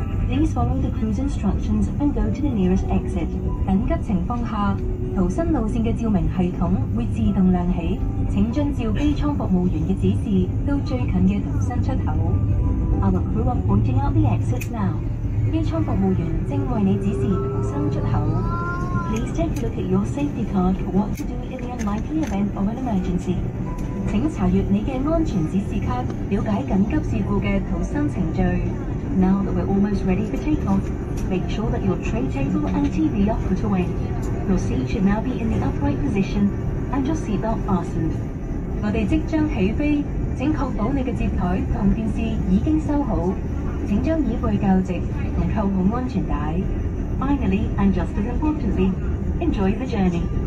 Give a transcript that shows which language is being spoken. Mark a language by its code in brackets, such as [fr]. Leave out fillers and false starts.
[en] Please follow the crew's instructions and go to the nearest exit. [yue] 紧急情况下，逃生路线的照明系统会自动亮起，请遵照机舱服务员的指示到最近的逃生出口。 [en] Our crew are pointing out the exits now. [yue] 机舱服务员正为你指示逃生出口。 [en] Please take a look at your safety card for what to do in the unlikely event of an emergency. [yue] 请查阅你的安全指示卡，了解紧急事故的逃生程序。 [en] Now that we're almost ready for takeoff, make sure that your tray table and TV are put away. Your seat should now be in the upright position and your seatbelt fastened. [yue] 我们即将起飞，请确保你的接台和电视已经收好。请将椅背校直和扣好安全带。 [en] Finally, and just as importantly, enjoy the journey.